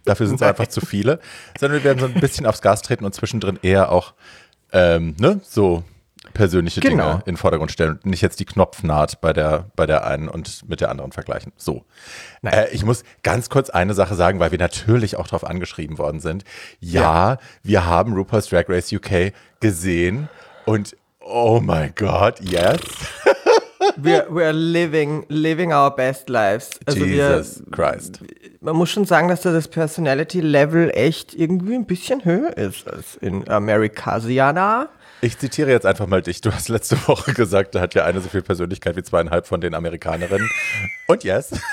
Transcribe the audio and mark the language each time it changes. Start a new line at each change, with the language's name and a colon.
German: Dafür sind es einfach zu viele. Sondern wir werden so ein bisschen aufs Gas treten und zwischendrin eher auch so persönliche Dinge in den Vordergrund stellen und nicht jetzt die Knopfnaht bei der einen und mit der anderen vergleichen. So. Ich muss ganz kurz eine Sache sagen, weil wir natürlich auch darauf angeschrieben worden sind. Ja, wir haben RuPaul's Drag Race UK gesehen und oh mein Gott, yes.
English: We're living our best lives. Also Jesus Christ.
German: Man muss schon sagen, dass da das Personality-Level echt irgendwie ein bisschen höher ist als in Amerikasiana. Ich zitiere jetzt einfach mal dich. Du hast letzte Woche gesagt, da hat ja eine so viel Persönlichkeit wie 2,5 von den Amerikanerinnen. Und yes.